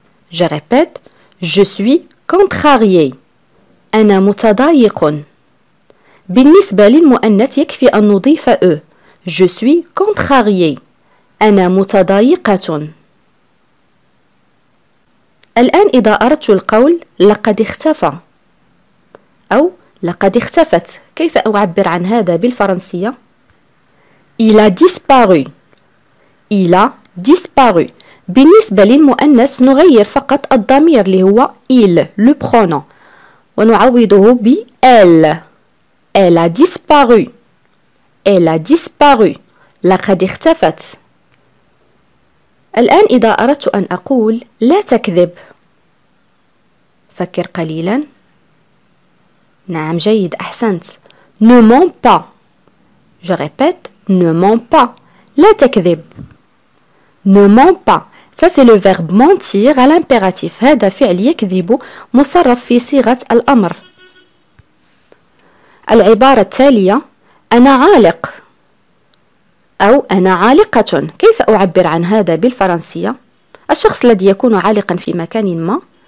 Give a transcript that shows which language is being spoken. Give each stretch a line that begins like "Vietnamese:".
French: Je répète, je suis contrarié.
Arabic: أنا متضايق. بالنسبة للمؤنث يكفي أن نضيف أ.
French: Je suis contrarié.
Arabic: أنا متضايقة. الآن إذا أردت القول لقد اختفى أو لقد اختفت، كيف أعبر عن هذا بالفرنسية؟
French: Il a disparu. Il a disparu.
Arabic: بالنسبة للمؤنث نغير فقط الضمير اللي هو
French: il le pronom
Arabic: ونعوضه ب elle.
French: Elle a disparu. Elle a disparu.
Arabic: لقد اختفت. الآن إذا أردت أن أقول لا تكذب، فكر قليلا. نعم جيد أحسنت.
French: Ne mens pas. Je répète, ne mens pas.
Arabic: لا تكذب.
French: Ne mens pas. Ça c'est le verbe mentir à l'impératif.
Arabic: هذا فعل يكذب مصرف في صيغة الأمر. العبارة التالية: أنا عالق أو أنا عالقة. كيف أعبر عن هذا بالفرنسية؟ الشخص الذي يكون عالقا في مكان ما.